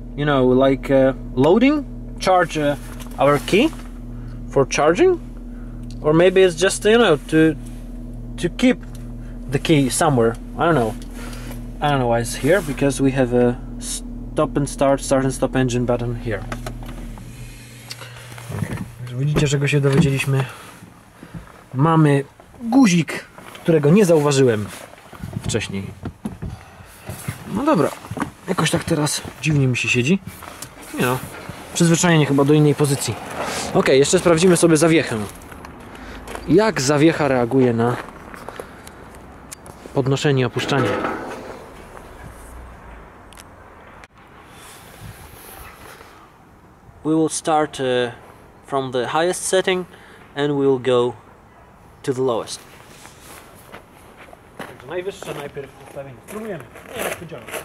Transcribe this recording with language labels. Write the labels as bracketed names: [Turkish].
[English] you know, like loading, charge our key for charging, or maybe it's just, you know, to keep the key somewhere. I don't know why it's here, because we have a start and stop engine button here. Okay. [Polish] Widzicie, czego się dowiedzieliśmy? Mamy guzik, którego nie zauważyłem wcześniej. No dobra. Jakoś tak teraz dziwnie mi się siedzi. Nie no, przyzwyczajenie chyba do innej pozycji. Ok, jeszcze sprawdzimy sobie zawiechę. Jak zawiecha reaguje na podnoszenie i opuszczanie. [English] We will start from the highest setting and we will go to the lowest. [Polish] Najwyższe najpierw ustawienie. Spróbujemy. Nie, jak to działa.